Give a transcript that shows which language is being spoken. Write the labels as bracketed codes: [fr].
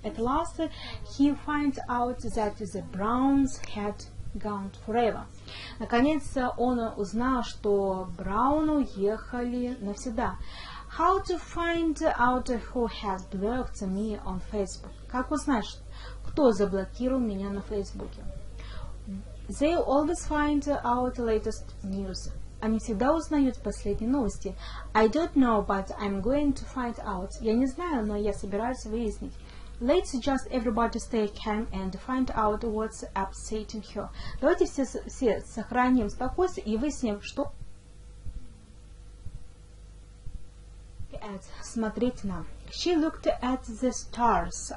[en] At last, he finds out that the Browns had gone forever. [ru] Наконец-то он узнал, что Браун уехали навсегда. [en] How to find out who has blocked me on Facebook? [ru] Как узнать, кто заблокировал меня на Фейсбуке? [en] They always find out the latest news. [ru] Они всегда узнают последние новости. [en] I don't know, but I'm going to find out. [ru] Я не знаю, но я собираюсь выяснить. [en] Let's just everybody stay calm and find out what's upsetting her. [ru] Давайте все сохраним спокойствие и выясним, что... Смотрите на. [en] She looked at the stars.